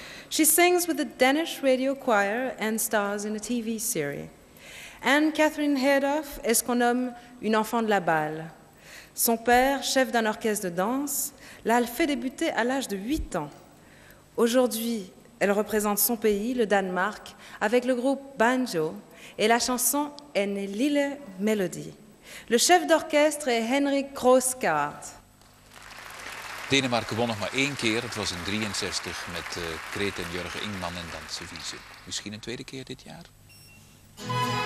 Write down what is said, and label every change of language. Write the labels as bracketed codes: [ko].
[en] She sings with the Danish radio choir and stars in a TV series. [fr] Anne-Catherine Herdorf est ce qu'on nomme une enfant de la balle. Son père, chef d'un orchestre de danse, l'a fait débuter à l'âge de 8 ans. Aujourd'hui, Elle représente son pays, le Danemark, avec le groupe Banjo, et la chanson En Lille Melodie. Le chef d'orchestre est Henrik Grooskaart. [nl] Denemarken won nog maar één keer. Het was in 1963 met Kreet en Jurgen Ingman en dan Sevise. Misschien een tweede keer dit jaar?